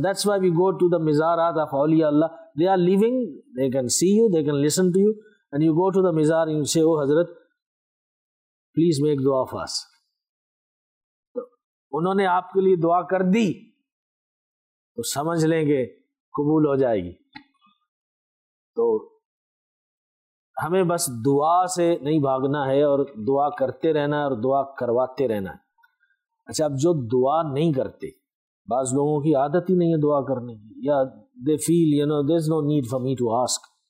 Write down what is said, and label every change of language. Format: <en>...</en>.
<en>That's why we go to the mizarat of awliya Allah. They are living, they can see you, they can listen to you, and you go to the mizar and you say, oh Hazrat, please make dua for us.</en> <ur>انہوں نے آپ کے لیے دعا کر دی تو سمجھ لیں گے قبول ہو جائے گی. تو ہمیں بس دعا سے نہیں بھاگنا ہے اور دعا کرتے رہنا اور دعا کرواتے رہنا. اچھا اب جو دعا نہیں کرتے, بعض لوگوں کی عادت ہی نہیں ہے دعا کرنے کی, یا</ur> <en>they feel, you know, there's no need for me to ask.</en>